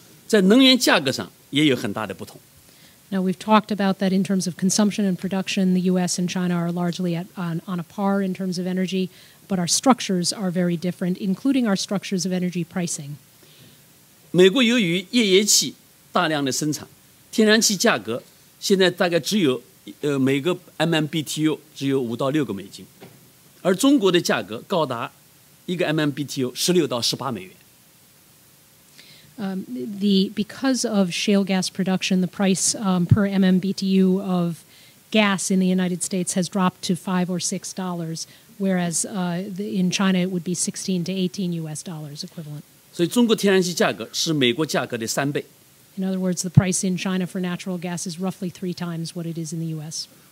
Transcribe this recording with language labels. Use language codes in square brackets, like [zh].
[zh] 中国和美国在能源生产或消费总量上，刚才讲了，大体上差不多，但是结构有很大的不同，在能源价格上也有很大的不同。 [en] Now, we've talked about that in terms of consumption and production. The U.S. and China are largely on a par in terms of energy, but our structures are very different, including our structures of energy pricing. [zh] 美国由于页岩气大量的生产，天然气价格现在大概只有每个 MMBTU 只有5到6个美金, 而中国的价格高达一个 MMBTU 16到18美元。 [en] Because of shale gas production, the price per MMBTU of gas in the United States has dropped to $5 or $6, whereas in China it would be $16 to $18 equivalent. [zh] 所以中国天然气价格是美国价格的3倍。 [en] In other words, the price in China for natural gas is roughly 3 times what it is in the U.S.